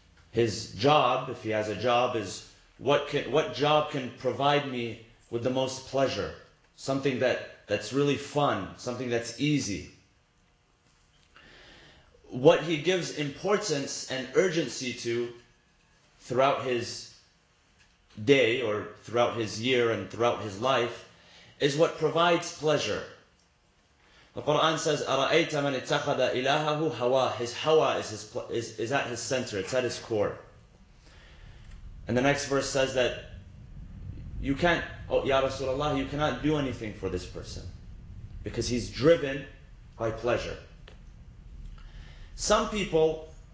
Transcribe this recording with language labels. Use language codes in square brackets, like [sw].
[en] His job, if he has a job, is what job can provide me with the most pleasure, something that's really fun, something that's easy. What he gives importance and urgency to throughout his day, or throughout his year, and throughout his life, is what provides pleasure. The Quran says, [ar] أَرَأَيْتَ مَنِ اتَّخَذَ إِلَاهَهُ هَوَاهُ. [en] His hawa is at his center, it's at his core. And the next verse says that, you can't, oh Ya Rasulullah, you cannot do anything for this person, because he's driven by pleasure. Some people,